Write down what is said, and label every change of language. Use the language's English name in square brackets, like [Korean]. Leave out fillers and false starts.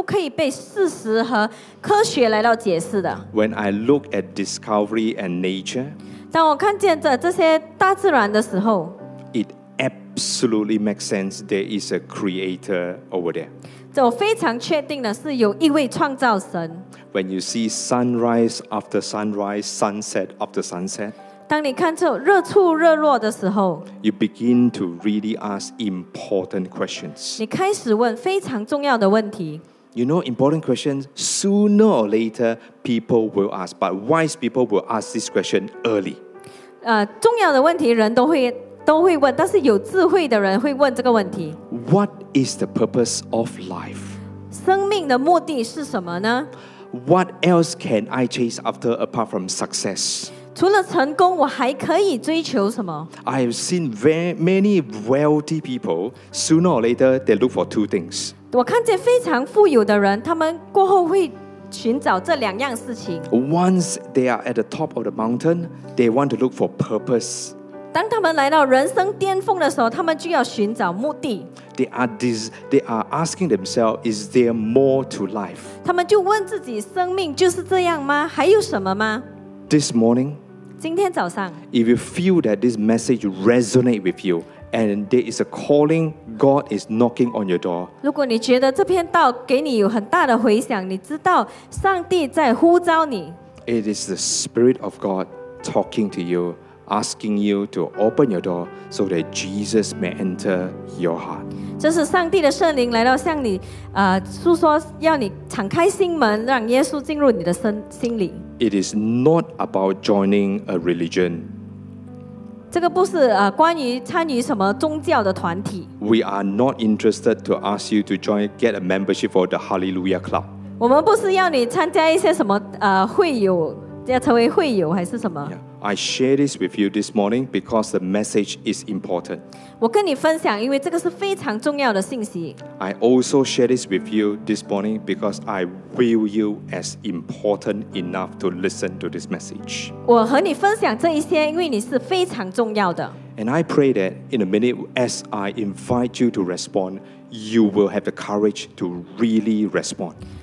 [Chinese] 很多事情是不可以被事实和科学来到解释的。 [English] When I look at discovery and nature, [Chinese] 当我看见这些大自然的时候, [English] it absolutely makes sense there is a creator over there. [Chinese] 这我非常确定的是有一位创造神。 [English] When you see sunrise after sunrise, sunset after sunset, [Chinese] 当你看这热出热落的时候, [English] you begin to really ask important questions. [Chinese] 你开始问非常重要的问题。 [English] You know, important questions, sooner or later, people will ask. But wise people will ask this question early. [Chinese] 重要的问题人都会问, 但是有智慧的人会问这个问题。 [English] What is the purpose of life? [Chinese] 生命的目的是什么呢? [English] What else can I chase after apart from success? [Chinese] 除了成功, 我还可以追求什么? [English] I have seen many wealthy people, sooner or later, they look for two things. [Chinese] 我看见非常富有的人, 他们过后会寻找这两样事情。 [English] Once they are at the top of the mountain, they want to look for purpose. [Chinese] 当他们来到人生巅峰的时候, 他们就要寻找目的。 [English] They are asking themselves, is there more to life? [Chinese] 他们就问自己, 生命就是这样吗? 还有什么吗? [English] This morning, [Chinese] 今天早上, [English] if you feel that this message resonates with you and there is a calling, God is knocking on your door. [Chinese] 如果你觉得这篇道给你有很大的回响, 你知道上帝在呼召你, [English] it is the Spirit of God talking to you, asking you to open your door so that Jesus may enter your heart. [Chinese] 这是上帝的圣灵来到向你, 诉说, 要你敞开心门, 让耶稣进入你的心里。 [English] It is not about joining a religion. [Chinese] 这个不是, 关于参与什么宗教的团体。 [English] We are not interested to ask you to join, get a membership for the Hallelujah Club. [Chinese] 我们不是要你参加一些什么, 会友，要成为会友还是什么。 [English] Yeah. I share this with you this morning because the message is important. [Chinese] 我跟你分享, 因为这个是非常重要的信息。 [English] I also share this with you this morning because I view you as important enough to listen to this message. [Chinese] 我和你分享这一些, 因为你是非常重要的。 [English] And I pray that in a minute, as I invite you to respond, you will have the courage to really respond.